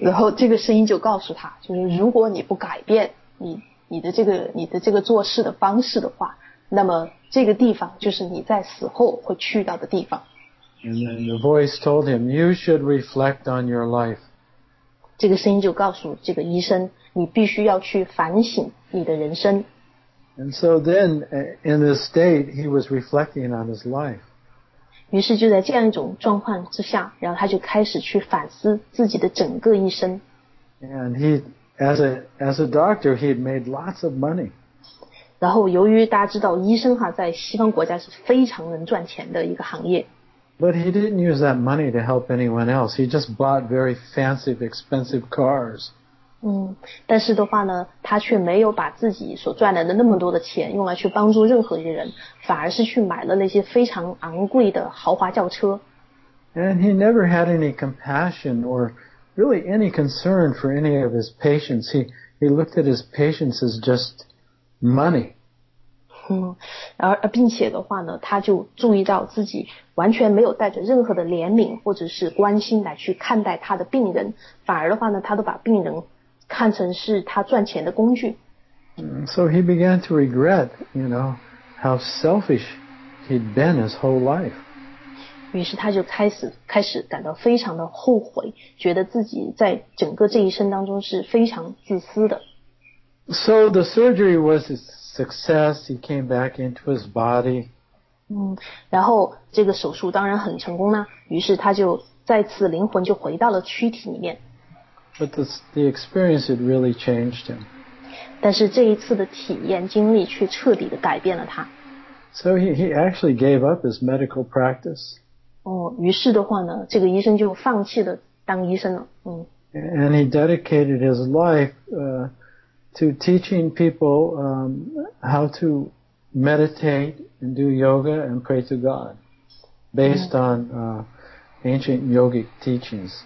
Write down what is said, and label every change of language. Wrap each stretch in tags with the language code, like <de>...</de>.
<zh>然后这个声音就告诉他，就是如果你不改变你的这个做事的方式的话，那么这个地方就是你在死后会去到的地方。</zh> <en>And then the voice told him, "You should reflect on your life."</en> <zh>这个声音就告诉这个医生，你必须要去反省你的人生。</zh> <en>And so then, in this state, he was reflecting on his life.</en> <zh>于是就在这样一种状况之下，然后他就开始去反思自己的整个一生。</zh> <en>And he, as a doctor, he had made lots of money.</en> <zh>然后由于大家知道医生哈，在西方国家是非常能赚钱的一个行业。</zh> <en>But he didn't use that money to help anyone else. He just bought very fancy, expensive cars.</en> <zh>但是的话呢，他却没有把自己所赚来的那么多的钱用来去帮助任何一个人，反而是去买了那些非常昂贵的豪华轿车。</zh> <en>And he never had any compassion or really any concern for any of his patients. He looked at his patients as just money.</en> <zh>并且的话呢，他就注意到自己完全没有带着任何的怜悯或者是关心来去看待他的病人，反而的话呢，他都把病人看成是他赚钱的工具。</zh> <en>So he began to regret, you know, how selfish he'd been his whole life.</en> <zh>于是他就开始感到非常的后悔，觉得自己在整个这一生当中是非常自私的。</zh> <en>So the surgery was a success. He came back into his body.</en> <zh>然后这个手术当然很成功呢，于是他就再次灵魂就回到了躯体里面。</zh> <en>But the experience had really changed him.</en> <zh>但是这一次的体验经历却彻底的改变了他。</zh> <en>So he actually gave up his medical practice.</en> <zh>于是的话呢，这个医生就放弃了当医生了。</zh> <en>And he dedicated his life to teaching people how to meditate and do yoga and pray to God based on ancient yogic teachings.</en>